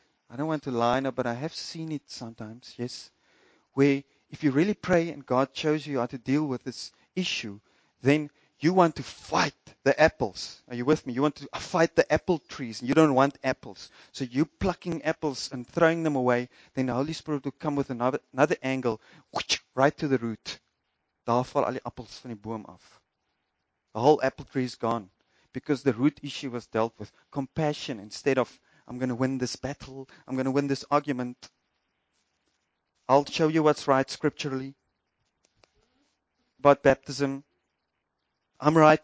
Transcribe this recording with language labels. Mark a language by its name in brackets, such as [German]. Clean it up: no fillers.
[English] I don't want to lie now, but I have seen it sometimes, yes, where if you really pray and God shows you how to deal with this issue, then you want to fight the apples. Are you with me? You want to fight the apple trees and you don't want apples. So you're plucking apples and throwing them away. Then the Holy Spirit will come with another angle, whoosh, right to the root. [Afrikaans] Daar val al die appels van die boom af. [English] The whole apple tree is gone because the root issue was dealt with. Compassion instead of, I'm going to win this battle. I'm going to win this argument. I'll show you what's right scripturally about baptism. I'm right.